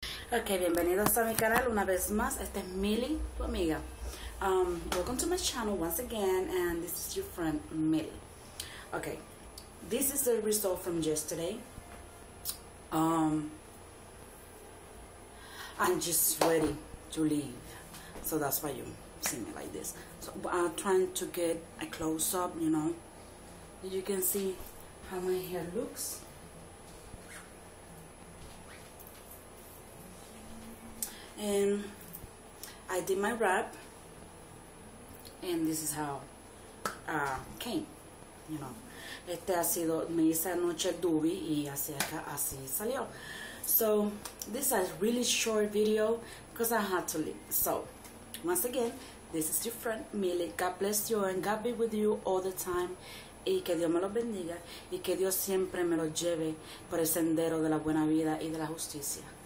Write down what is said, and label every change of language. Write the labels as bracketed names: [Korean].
[Spanish] Ok, bienvenidos a mi canal una vez más. Esta es Millie, tu amiga. [English] Welcome to my channel once again, and this is your friend Millie. Ok, this is the result from yesterday. I'm just ready to leave, so that's why you see me like this. So I'm trying to get a close up, you know. You can see how my hair looks. And I did my wrap, and this is how came, you know. [Spanish] Este ha sido, me hice anoche el dubi y así acá, así salió. [English] So, this is a really short video because I had to leave. So, once again, this is your friend Millie. God bless you and God be with you all the time. [Spanish] Y que Dios me los bendiga y que Dios siempre me los lleve por el sendero de la buena vida y de la justicia.